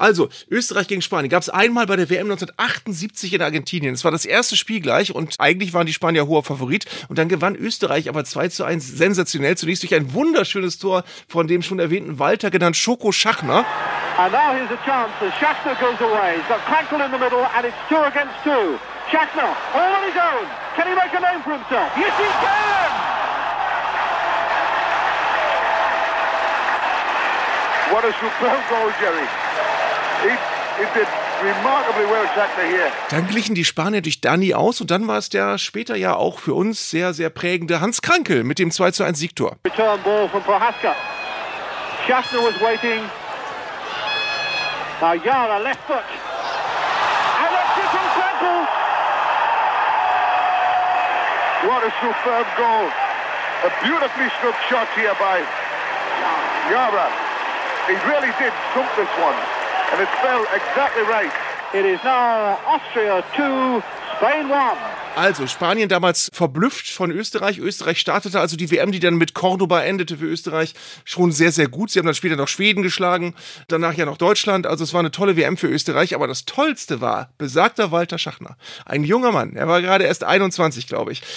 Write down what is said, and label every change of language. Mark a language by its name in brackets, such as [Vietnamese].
[German] Also, Österreich gegen Spanien gab es einmal bei der WM 1978 in Argentinien. Es war das erste Spiel gleich und eigentlich waren die Spanier hoher Favorit. Und dann gewann Österreich aber 2-1 sensationell. Zunächst durch ein wunderschönes Tor von dem schon erwähnten Walter, genannt Schoko Schachner. [English] And now here's a chance. Schachner goes away. He's got Krankl in the middle and it's 2-2. Schachner, all on his own. Can he make a name for himself? Yes, he can! What a superb goal, Jerry. He did remarkably well, Schachner here. [German] Dann glichen die Spanier durch Dani aus und dann war es der später ja auch für uns sehr, sehr prägende Hans Krankl mit dem 2-1 Siegtor. [English] Return ball from Prohaska. Schachner was waiting. Now Jara, left foot. And it's just from Krankl. What a superb goal. A beautifully struck shot here by Jara. He really did trump this one, and it fell exactly right. It is now Austria 2, Spain 1. [German] Also Spanien damals verblüfft von Österreich. Österreich startete also die WM, die dann mit Córdoba endete für Österreich, schon sehr, sehr gut. Sie haben dann später noch Schweden geschlagen, danach ja noch Deutschland. Also es war eine tolle WM für Österreich. Aber das Tollste war besagter Walter Schachner. Ein junger Mann, er war gerade erst 21, glaube ich.